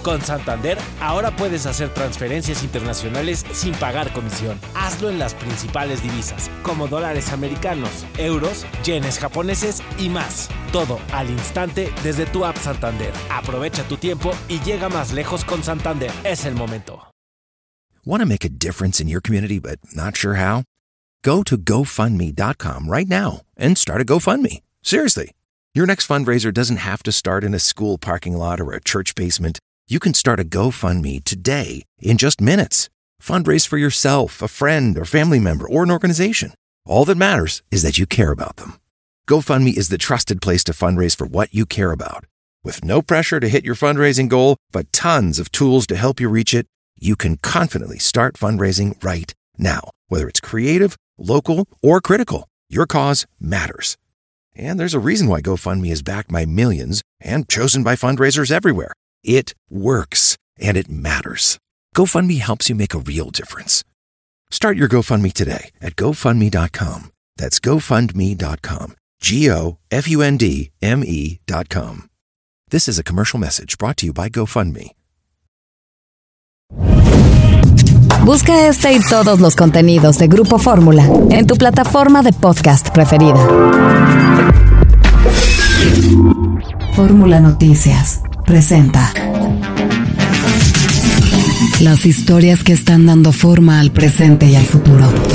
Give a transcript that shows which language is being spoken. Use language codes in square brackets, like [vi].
[es] Con Santander, ahora puedes hacer transferencias internacionales sin pagar comisión. Hazlo en las principales divisas, como dólares americanos, euros, yenes japoneses y más. Todo al instante desde tu app Santander. Aprovecha tu tiempo y llega más lejos con Santander. Es el momento. [en] Want to make a difference in your community but not sure how? Go to GoFundMe.com right now and start a GoFundMe. Seriously. Your next fundraiser doesn't have to start in a school parking lot or a church basement. You can start a GoFundMe today in just minutes. Fundraise for yourself, a friend, or family member, or an organization. All that matters is that you care about them. GoFundMe is the trusted place to fundraise for what you care about. With no pressure to hit your fundraising goal, but tons of tools to help you reach it, you can confidently start fundraising right now. Whether it's creative, local, or critical, your cause matters. And there's a reason why GoFundMe is backed by millions and chosen by fundraisers everywhere. It works, and it matters. GoFundMe helps you make a real difference. Start your GoFundMe today at GoFundMe.com. That's GoFundMe.com. GoFundMe.com. This is a commercial message brought to you by GoFundMe. [es] Busca este y todos los contenidos de Grupo Fórmula en tu plataforma de podcast preferida. Fórmula Noticias presenta las historias que están dando forma al presente y al futuro.